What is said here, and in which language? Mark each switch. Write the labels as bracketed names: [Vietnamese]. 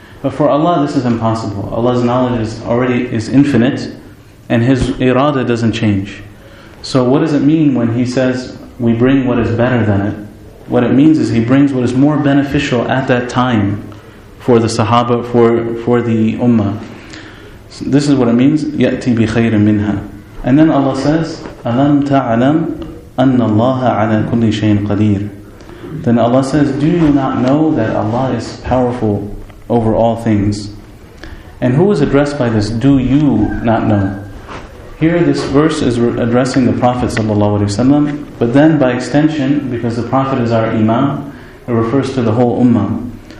[English] But for Allah, this is impossible. Allah's knowledge is already infinite, and His irada doesn't change. So what does it mean when He says, we bring what is better than it? What it means is He brings what is more beneficial at that time for the Sahaba, for the Ummah. So this is what it means, [Arabic] يَأْتِي بِخَيْرٍ مِنْهَا. [English] And then Allah says, [Arabic] أَلَمْ تَعْلَمْ أَنَّ اللَّهَ عَلَى كُلِّ شَيْءٍ قَدِيرٍ. [English] Then Allah says, do you not know that Allah is powerful over all things? And who is addressed by this, do you not know? Here this verse is addressing the Prophet ﷺ, but then by extension, because the Prophet is our Imam, it refers to the whole Ummah.